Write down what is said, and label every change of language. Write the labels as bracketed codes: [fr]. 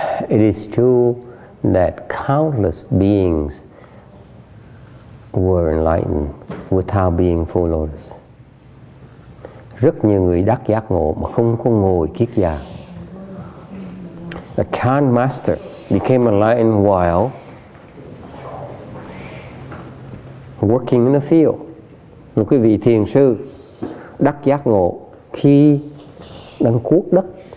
[en] It is true that countless beings were enlightened without being full lotus. [vi] Rất nhiều người đắc giác ngộ mà không có ngồi kiết già. [en] A Chan master became enlightened while working in the field. [vi] Một cái vị thiền sư đắc giác ngộ khi đang cuốc đất.